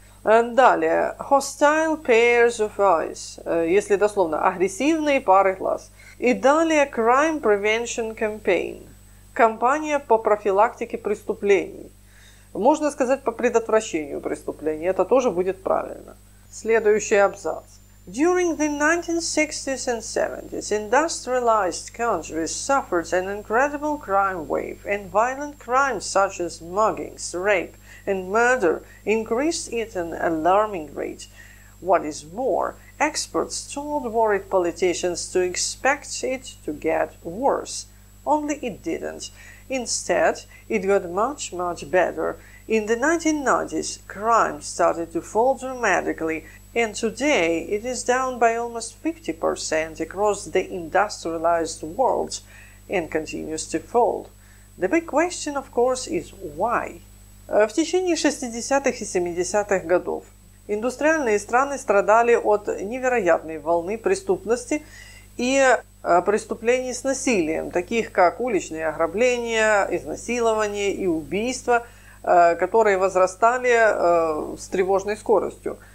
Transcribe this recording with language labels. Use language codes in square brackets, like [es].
[ru] Далее. [en] Hostile pairs of eyes. [ru] Если дословно, агрессивные пары глаз. И далее [en] Crime Prevention Campaign. [ru] Кампания по профилактике преступлений. Можно сказать, по предотвращению преступлений. Это тоже будет правильно. Следующий абзац. [en] During the 1960s and 70s, industrialized countries suffered an incredible crime wave, and violent crimes such as muggings, rape, and murder increased at an alarming rate. What is more, experts told worried politicians to expect it to get worse. Only it didn't. Instead, it got much, much better. In the 1990s, crime started to fall dramatically, and today it is down by almost 50% across the industrialized world and continues to fall. The big question, of course, is why? [ru] В течение 60-х и 70-х годов индустриальные страны страдали от невероятной волны преступности и преступлений с насилием, таких как уличные ограбления, изнасилования и убийства, которые возрастали с тревожной скоростью.